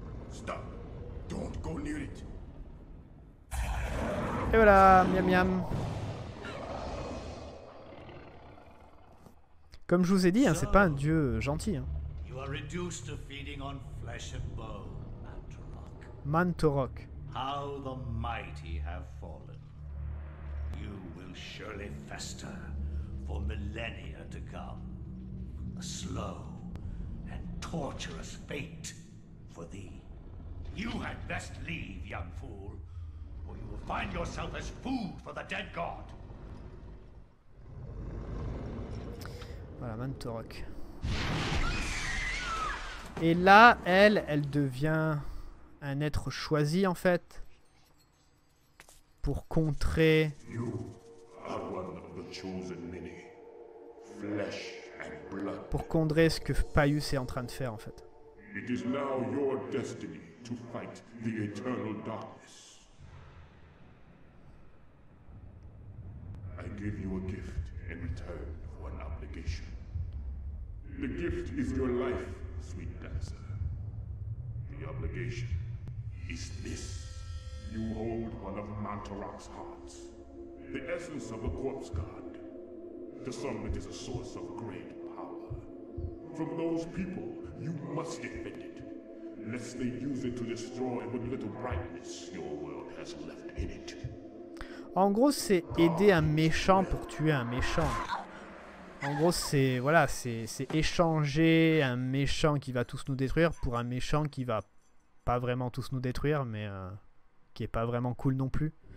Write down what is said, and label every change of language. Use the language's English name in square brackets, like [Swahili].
[English] Stop. Don't go near it. [French] Et voilà, miam miam. Comme je vous ai dit, hein, c'est pas un dieu gentil. Hein. [English] You are reduced to feeding on flesh and bone. Mantorok. How the mighty have fallen. You will surely fester for millennia to come. A slow and torturous fate for thee. You had best leave, young fool, or you will find yourself as food for the dead god. [French] Voilà, Mantorok. Et là, elle devient un être choisi en fait pour contrer. [English] You are one of the chosen many. Flesh and blood. [French] Pour contrer ce que Paius est en train de faire en fait. [English] It is now your destiny to fight the eternal darkness. I give you a gift in return for an obligation. The gift is your life, sweet dancer. The obligation. Is this? You hold one of Mantorok's hearts. The essence of a corpse god. To some it is a source of great power. From those people, you must defend it. Lest they use it to destroy what little brightness your world has left in it. [French] En gros, c'est aider un méchant pour tuer un méchant. En gros, c'est voilà, c'est échanger un méchant qui va tous nous détruire pour un méchant qui va pas vraiment tous nous détruire, mais qui est pas vraiment cool non plus.